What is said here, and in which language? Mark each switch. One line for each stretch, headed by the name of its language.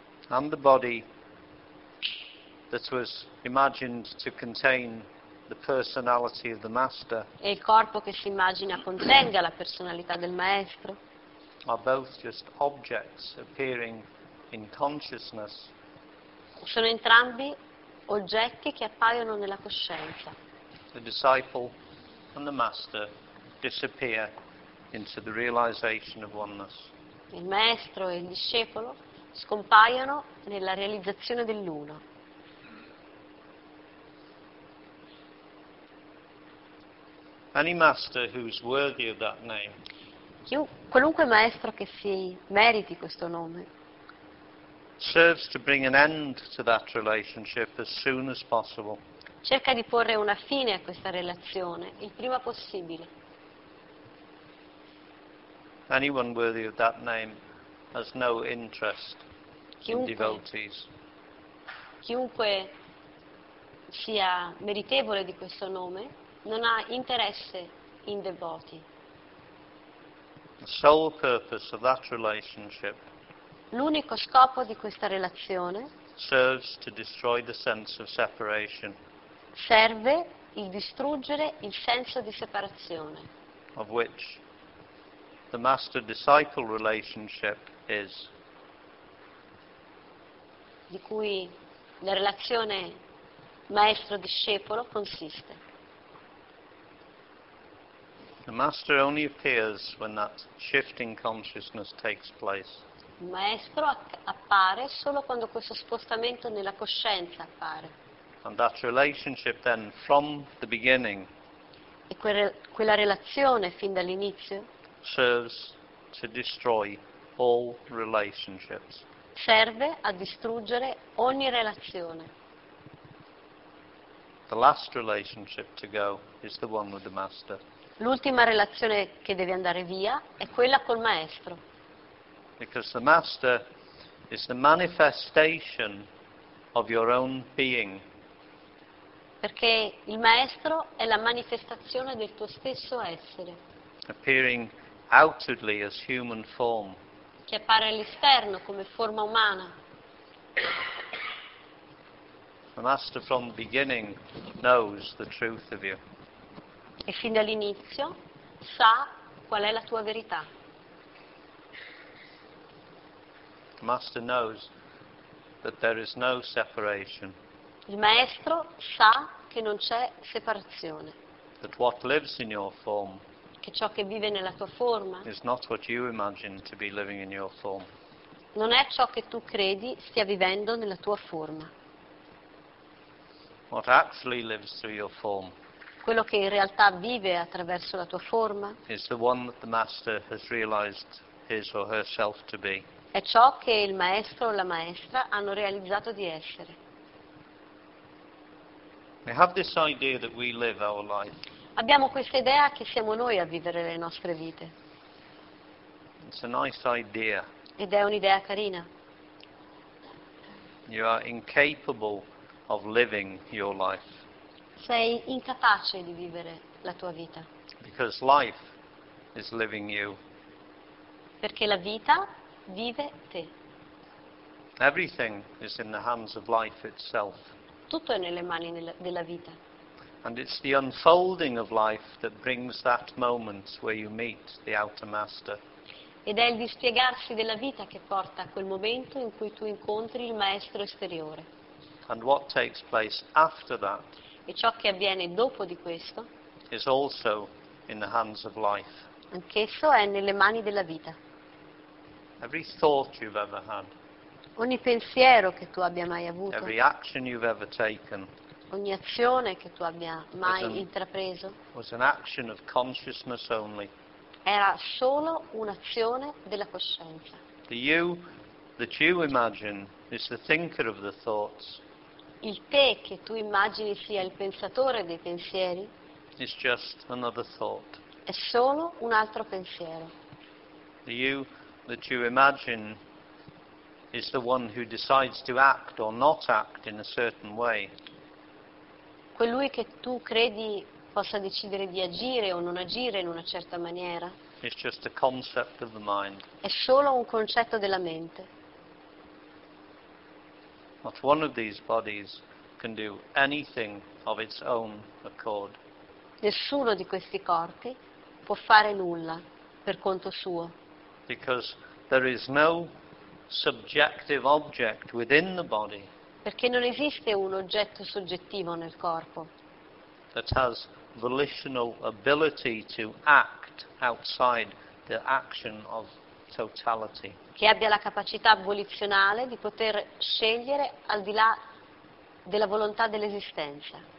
English: and the body that was imagined to contain the personality of the master,
Italian: e il corpo che si immagina contenga la personalità del maestro,
English: are both just objects appearing in consciousness,
Italian: sono entrambi oggetti che appaiono nella coscienza.
English: The disciple and the master disappear into the realization of oneness.
Italian: Il maestro e il discepolo scompaiono nella realizzazione dell'uno.
English: Any master who's worthy of that name,
Italian: qualunque maestro che si meriti questo nome,
English: serves to bring an end to that relationship as soon as possible.
Italian: Cerca di porre una fine a questa relazione il prima possibile.
English: Anyone worthy of that name has no interest in devotees.
Italian: Chiunque sia meritevole di questo nome non ha interesse in devoti.
English: The sole purpose of that relationship,
Italian: l'unico scopo di questa relazione,
English: serves to destroy the sense of separation,
Italian: serve il distruggere il senso di separazione,
English: of which the master-disciple relationship is,
Italian: di cui la relazione maestro-discepolo consiste.
English: The master only appears when that shifting consciousness takes place.
Italian: Il maestro appare solo quando questo spostamento nella coscienza appare.
English: And that relationship then from the beginning,
Italian: e quella relazione fin dall'inizio,
English: serves to destroy all relationships.
Italian: Serve a distruggere ogni relazione.
English: The last relationship to go is the one with the master.
Italian: L'ultima relazione che deve andare via è quella col maestro.
English: Because the master is the manifestation of your own being.
Italian: Perché il maestro è la manifestazione del tuo stesso essere.
English: Appearing outwardly as human form.
Italian: Che appare all'esterno come forma umana.
English: The master from the beginning knows the truth of you.
Italian: E fin dall'inizio sa qual è la tua verità.
English: The master knows that there is no separation.
Italian: Il maestro sa che non c'è separazione.
English: That what lives in your form,
Italian: che ciò che vive nella tua forma,
English: is not what you imagine to be living in your form.
Italian: Non è ciò che tu credi stia vivendo nella tua forma.
English: What actually lives through your form,
Italian: quello che in realtà vive attraverso la tua forma,
English: is the one that the master has realized his or herself to be.
Italian: È ciò che il maestro o la maestra hanno realizzato di essere.
English: We have this idea that we live our life.
Italian: Abbiamo questa idea che siamo noi a vivere le nostre vite.
English: It's a nice idea.
Italian: Ed è un'idea carina.
English: You are incapable of living your life.
Italian: Sei incapace di vivere la tua vita.
English: Because life is living you.
Italian: Perché la vita vive te.
English: Everything is in the hands of life itself.
Italian: Tutto è nelle mani della vita.
English: And it's the unfolding of life that brings that moment where you meet the outer master.
Italian: Ed è il dispiegarsi della vita che porta a quel momento in cui tu incontri il maestro esteriore.
English: And what takes place after that,
Italian: e ciò che avviene dopo di questo,
English: is also in the hands of life.
Italian: Anch'esso è nelle mani della vita.
English: Every thought you've ever had,
Italian: ogni pensiero che tu abbia mai avuto,
English: every action you've ever taken,
Italian: ogni azione che tu abbia mai intrapreso,
English: was an action of consciousness only.
Italian: Era solo un'azione della coscienza.
English: The you that you imagine is the thinker of the thoughts.
Italian: il te che tu immagini sia il pensatore dei pensieri
English: is just another thought.
Italian: è solo un altro pensiero.
English: The you that you imagine is the one who decides to act or not act in a certain way.
Italian: Colui che tu credi possa decidere di agire o non agire in una certa maniera
English: is just a concept of the mind.
Italian: È solo un concetto della mente.
English: Not one of these bodies can do anything of its own accord.
Italian: Nessuno di questi corpi può fare nulla per conto suo.
English: Because there is no subjective object within the body.
Italian: Perché non esiste un oggetto soggettivo nel corpo.
English: That has volitional ability to act outside the action of totality.
Italian: Che abbia la capacità volizionale di poter scegliere al di là della volontà dell'esistenza.